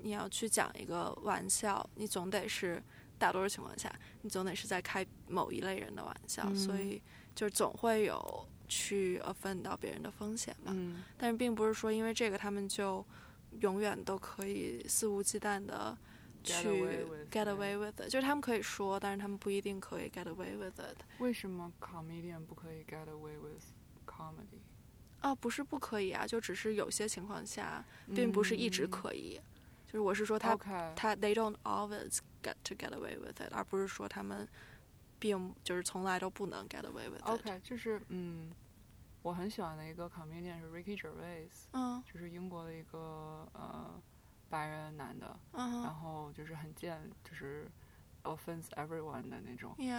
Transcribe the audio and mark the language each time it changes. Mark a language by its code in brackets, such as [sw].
[zh] 去讲一个玩笑你总得是大多数情况下你总得是在开某一类人的玩笑、所以就总会有去 offend 到别人的风险嘛、但是并不是说因为这个他们就永远都可以肆无忌惮的去 [en] get away with [zh] it 就是他们可以说但是他们不一定可以 [en] get away with it [zh] 为什么 comedian 不可以 [en] get away with comedy [zh] 啊，不是不可以啊就只是有些情况下并不是一直可以、就是我是说他、 [en] they don't always get to get away with it [zh] 而不是说他们并就是从来都不能 get away with it OK 就是我很喜欢的一个 comedian 是 Ricky Gervais、就是英国的一个白人男的、然后就是很贱就是 offends everyone 的那种